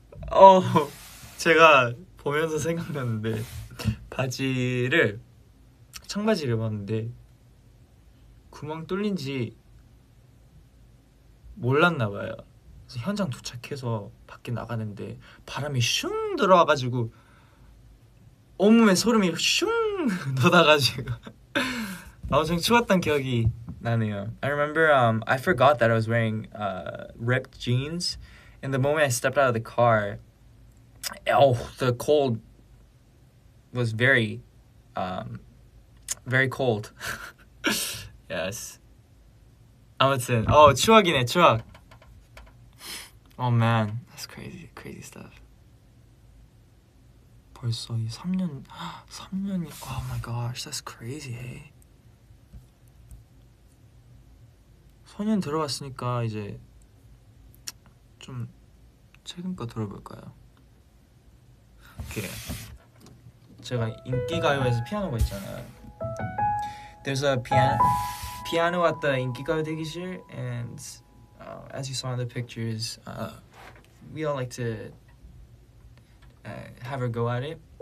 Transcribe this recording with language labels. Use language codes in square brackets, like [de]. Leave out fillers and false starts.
[ko] 어 제가 보면서 생각났는데 바지를 청바지를 입었는데 구멍 뚫린지 몰랐나 봐요. 그래서 현장 도착해서 밖에 나가는데 바람이 슝 들어와가지고. 온몸에 소름이 슝 돋아가지고 엄청 추웠던 기억이 나네요. [en] I remember I forgot that I was wearing ripped jeans, and the moment I stepped out of the car, oh, the cold was very, very cold. Yes. [ko] 아무튼 어 oh, 추억이네 추억. [en] Oh man, that's crazy, crazy stuff. [ko] 벌써 이 3년, 3년이, [en] oh my gosh, that's crazy. [ko] 4년 들어왔으니까 이제 좀 최근 거 들어볼까요? 오케이. 제가 인기 가요에서 피아노가 있잖아요. [en] There's a piano at the 인기 가요 대기실, and as you saw in the pictures, we all like to have her go at it.